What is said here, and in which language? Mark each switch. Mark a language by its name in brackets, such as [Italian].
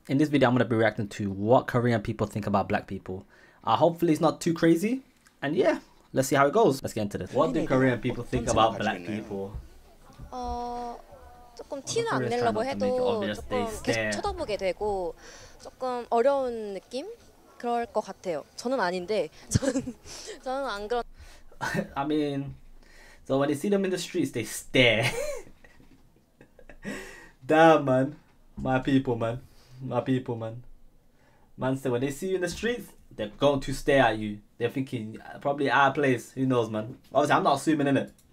[English] In this video, I'm going to be reacting to what Korean people think about black people. Hopefully, it's not too crazy. And yeah, let's see how it goes. Let's get into this. What do Korean people think about black people? [Korean] 조금 티는 안 내려고 해도 조금 계속 쳐다보게 되고 조금 어려운 느낌? 그럴 것 같아요. 저는 아닌데 저는 안 그런 [English] I mean, so when you see them in the streets, they stare. Damn, man. My people, man. My people, man. Man, so when they see you in the streets, they're going to stare at you. They're thinking, probably our place. Who knows, man? Obviously, I'm not assuming, innit?